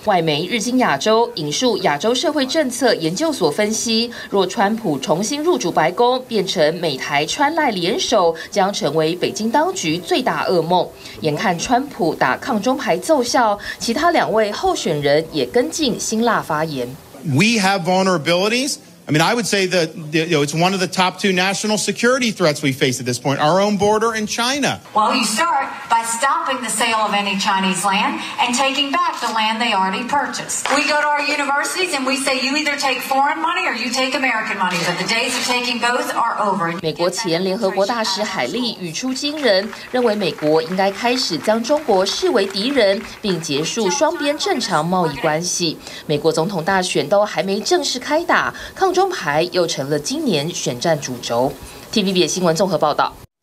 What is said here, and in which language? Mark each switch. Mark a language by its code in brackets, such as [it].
[zh] 外媒日经亚洲引述亚洲社会政策研究所分析，若川普重新入主白宫，变成美台川赖联手，将成为北京当局最大噩梦。眼看川普打抗中牌奏效，其他两位候选人也跟进辛辣发言。 [en] We have vulnerabilities. I mean, I would say that you know, it's one of the top two national security threats we face at this point, our own border and China. While you start, by stopping the sale of any Chinese land and taking back the land they already purchased. We go to our universities and we say you either take foreign money or you take American money, but the days of taking both are over. [zh] 美国前联合国大使海利语出惊人，认为美国应该开始将中国视为敌人，并结束双边正常贸易关系。美国总统大选都还没正式开打，抗中牌又成了今年选战主轴。 TVB 新闻综合报道。